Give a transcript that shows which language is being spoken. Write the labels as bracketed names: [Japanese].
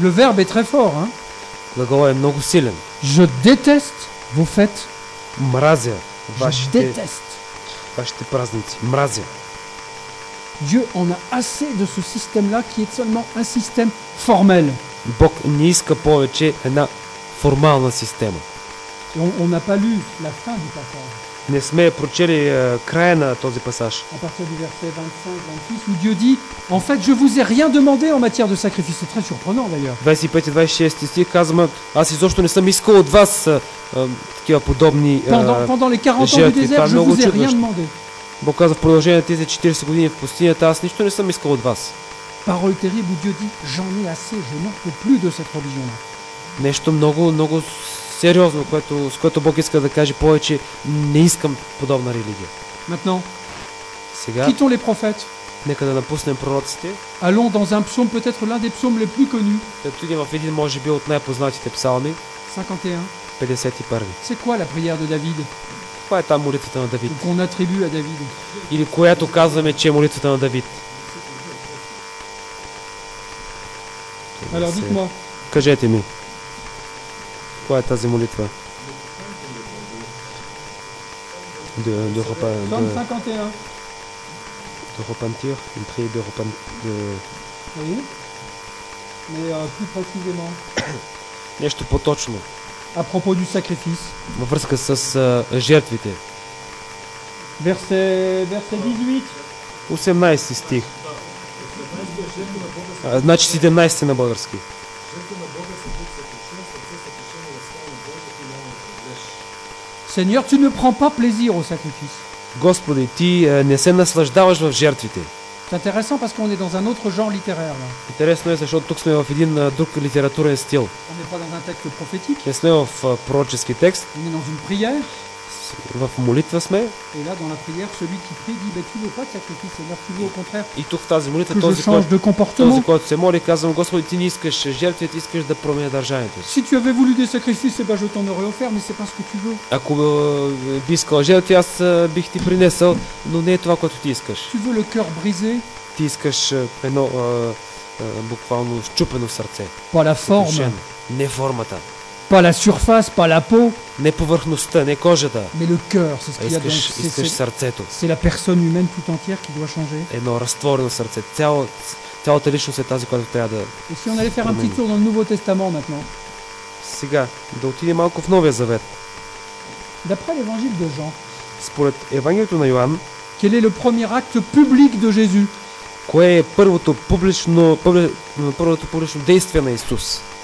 [French] Le verbe est très fort, hein? [Bulgarian] Глагол е много силен. [French] Je déteste vos fêtes. [Bulgarian] Мразя вашите, [French] je déteste. [Bulgarian] Вашите празници. Мразя. [French] Dieu en a assez de ce système-là qui est seulement un système formel. [Bulgarian] Бог не иска повече една формална система. [French] On n'a pas lu la fin du passage. [Bulgarian] Не сме прочели края на този пасаж. [French] À partir du verset 25-26, où Dieu dit, en fait, je vous ai rien demandé en matière de sacrifice. C'est très surprenant, d'ailleurs. [Bulgarian] 25-26 стих казваме, аз изобщо не съм искал от вас такива подобни жертви. [French] Pendant les 40 ans du désert, je vous ai rien demandé. [Bulgarian] Бог казва, в продължение на тези 40 години в пустинята, аз нищо не съм искал от вас. [French] Parole terrible, où Dieu dit, j'en ai assez, je n'en peux plus de cette religion-là. [Bulgarian] Нещо много, много сериозно, което, с което Бог иска да каже повече, не искам подобна религия. [French] Maintenant, [Bulgarian] сега, [French] quittons les prophètes. [Bulgarian] Нека да напуснем пророците. [French] Allons dans un psaume, peut-être l'un des psaumes les plus connus. [Bulgarian] Да отидем в един, може би, от най-познатите псалми. [French] 51. [Bulgarian] 51. [French] C'est quoi la prière de David? [Bulgarian] Коя е там молитвата на Давид? [French] Qu'on attribue à David. [Bulgarian] Или която казваме, че е молитвата на Давид. [French] Alors, dites-moi. [Bulgarian] Кажете ми. Коя е тази молитва? [French] De repentir, une prière de repentir. Oui. Mais plus précisément. [Bulgarian] Нещо по-точно. [French] À propos du sacrifice. [Bulgarian] Във връзка с жертвите. [French] Verset 18. [Bulgarian] 18 стих. Значи 17 на български. [French] Seigneur, tu ne prends pas plaisir au sacrifice. [Bulgarian] Господи, ти не се наслаждаваш в жертвите. [French] C'est intéressant parce qu'on est dans un autre genre littéraire. [Bulgarian] Интересно е, защото тук сме в един друг литературен стил. [French] On n'est pas dans un texte prophétique. [Bulgarian] Не сме в пророчески текст. [French] On est dans une prière. [Bulgarian] в молитва сме. И да, на прияр, [French] celui qui prie dit ben tu veux pas sacrifice, c'est merveilleux au contraire. [Bulgarian] И тук в тази молитва този, който се моли, казвам: Господи, ти не искаш жертви, ти искаш да променя държанието. [French] Si tu avais voulu des sacrifices, ben je t'en aurais offert, mais c'est pas ce que tu veux. [Bulgarian] Ако би искал жертви, аз бих ти принесъл, но не е това, което ти искаш. [French] Tu veux le cœur brisé? [Bulgarian] Ти искаш едно буквално счупено сърце. [French] Pas la forme. [Bulgarian] Не формата. [French] Pas la surface, pas la peau. [Bulgarian] Не повърхността, не кожата. [French] Mais le cœur, c'est ce qu'il y a dans [Bulgarian] искаш сърцето. [French] C'est la personne humaine tout entière qui doit changer. [Bulgarian] Едно разтворено сърце, цялата личност е тази, която трябва да. [French] Et si on allait faire un petit tour dans le Nouveau Testament maintenant. [Bulgarian] Сега да отидем малко в Новия Завет. [French] D'après l'Évangile de Jean. [Bulgarian] Според Евангелието на Йоан. [French] Quel est le premier acte public de Jésus? [Bulgarian] Кое е първото публично, първото публично действие на Исус?